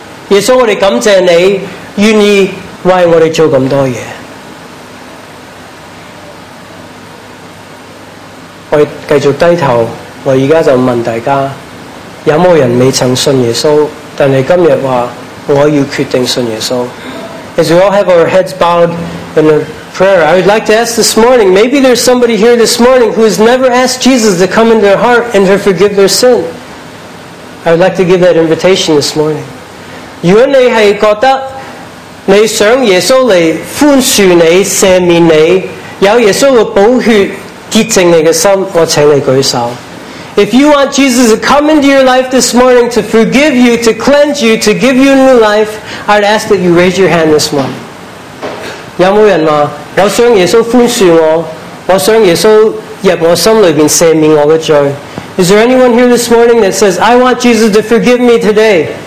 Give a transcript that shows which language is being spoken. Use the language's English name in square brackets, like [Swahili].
[Chinese] 耶稣，我们感谢你愿意为我们做这么多事。我们继续低头，我现在就问大家，有没有人未曾信耶稣，但是今天说我要决定信耶稣。 [English] As we all have our heads bowed in a prayer, I would like to ask this morning, maybe there's somebody here this morning who has never asked Jesus to come into their heart and to forgive their sin. I would like to give that invitation this morning. [Chinese] 如果你是觉得你想耶稣来宽恕你、赦免你，有耶稣的宝血洁净你的心，我请你举手。 [English] If you want Jesus to come into your life this morning to forgive you, to cleanse you, to give you a new life, I'd ask that you raise your hand this morning. [Chinese] 有没有人说，我想耶稣宽恕我，我想耶稣入我心里面赦免我的罪。 [English] Is there anyone here this morning that says, I want Jesus to forgive me today?